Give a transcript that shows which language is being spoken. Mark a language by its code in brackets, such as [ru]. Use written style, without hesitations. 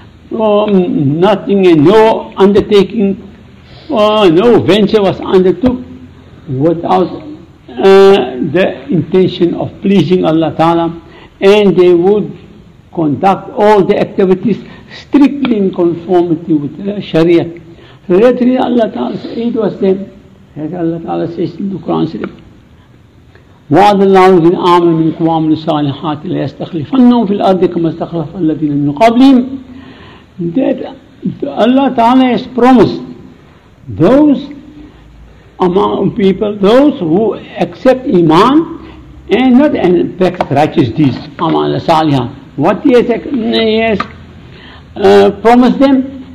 [en] Nothing and no undertaking, no venture was undertook without the intention of pleasing Allah Ta'ala, and they would conduct all the activities strictly in conformity with the Sharia. So that really Allah Ta'ala's aid was them, as Allah Ta'ala says in the Quran Sharif. [ar] وعد الله الذين آمنوا منكم وعملوا الصالحات ليستخلفنهم في الأرض كما استخلف الذين من قبلهم. [en] Allah Ta'ala has promised those among people, those who accept Iman and not and practice righteous deeds, amal salihah. What he has promised them?